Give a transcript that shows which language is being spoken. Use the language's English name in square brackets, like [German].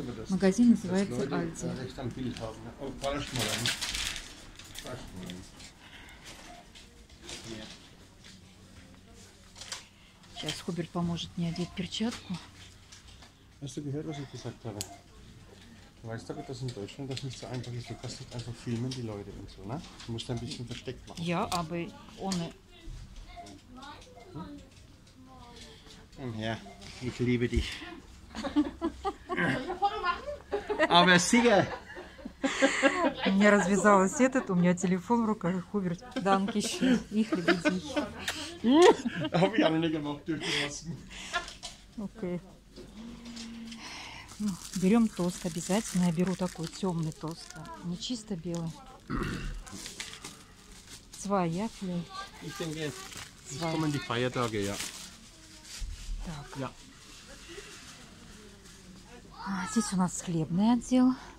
[Russian] Магазин называется Aldi. Сейчас Хуберт поможет мне одеть перчатку. [German] Hast du gehört, was ich gesagt habe? Du weißt aber, dass in Deutschland das nicht so einfach ist. Du kannst nicht einfach filmen, die Leute und so, ne? Du musst ein bisschen versteckt machen. Ja, aber ohne... Komm her, ich liebe dich. Soll ich ein Foto machen? Aber sicher! [Russian] У меня развязалась этот, у меня телефон в руках, Хуберт, [German] данки [Russian] еще, [German] их любите. Habe ich auch nicht gemacht, durchgelassen. Окей. [Russian] Ну, берем тост обязательно. Я беру такой темный тост. Не чисто белый. [German] Zwei Äpfel. Ich denke, es kommen die Feiertage, ja. [Russian] Так. [German] Ja. [Russian] А, здесь у нас хлебный отдел.